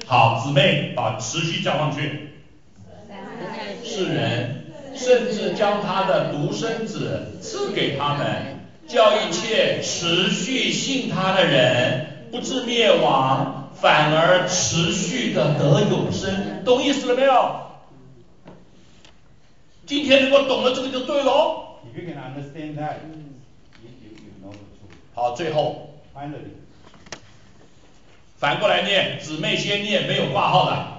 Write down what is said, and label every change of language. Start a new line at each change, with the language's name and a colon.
Chinese: 好，姊妹把持续加上去。世人甚至将他的独生子赐给他们，叫一切持续信他的人不至灭亡，反而持续的得永生。懂意思了没有？今天如果懂了这个就对了。
English: If you can understand that, you know the truth.
Chinese: 好，最后。
English: Finally.
Chinese: 反过来念，姊妹先念，没有挂号的。